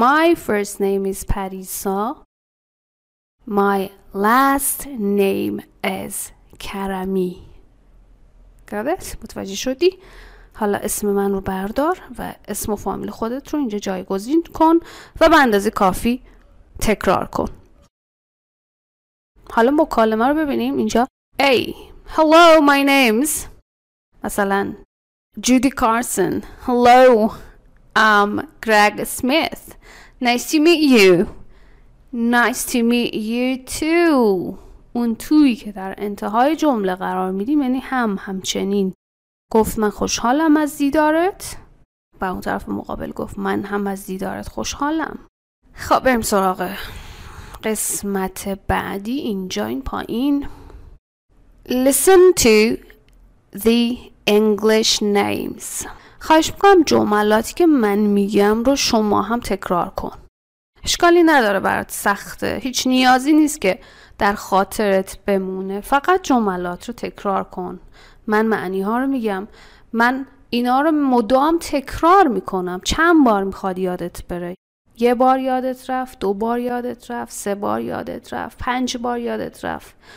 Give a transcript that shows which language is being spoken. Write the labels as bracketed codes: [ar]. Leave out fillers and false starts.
[en] My first name is Parisa. My last name is Karami. [fa] گفت؟ متوجه شدی؟ حالا اسم من رو بردار و اسم و فامیل خودت رو اینجا جایگزین کن و به اندازه کافی تکرار کن. حالا مکالمه رو ببینیم اینجا. [en] Hey, hello, my name's مثلا Judy Carson. Hello, I'm Greg Smith. Nice to meet you. Nice to meet you too. [fa] اون تویی که در انتهای جمله قرار میدیم یعنی هم همچنین. گفت من خوشحالم از دیدارت و اون طرف مقابل گفت من هم از دیدارت خوشحالم. خب بریم سراغ قسمت بعدی. اینجا این پایین [en] Listen to the English names. [fa] خواهش میکنم جملاتی که من میگم رو شما هم تکرار کن. اشکالی نداره برات سخته. هیچ نیازی نیست که در خاطرت بمونه. فقط جملات رو تکرار کن. من معنی ها رو میگم. من اینا رو مدام تکرار میکنم. چند بار میخواد یادت بره؟ یه بار یادت رفت، دو بار یادت رفت، سه بار یادت رفت، پنج بار یادت رفت.